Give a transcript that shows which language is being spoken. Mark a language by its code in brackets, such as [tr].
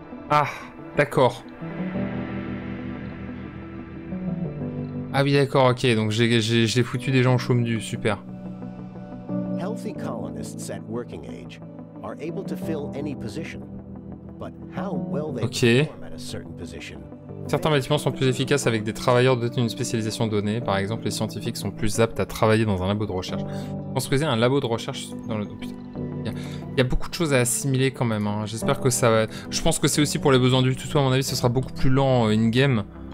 [fr] Ah, d'accord. Ah oui, d'accord, ok. Donc j'ai foutu des gens au chaume du, super. [en] Healthy colonists at working age are able to fill any position, but how well they perform at a certain position. [fr] Certains bâtiments sont plus efficaces avec des travailleurs dotés d'une spécialisation donnée. Par exemple, les scientifiques sont plus aptes à travailler dans un labo de recherche. Construisez un labo de recherche dans le... Il y a beaucoup de choses à assimiler quand même. Hein. J'espère que ça va... Je pense que c'est aussi pour les besoins du tuto, à mon avis, ce sera beaucoup plus lent in-game.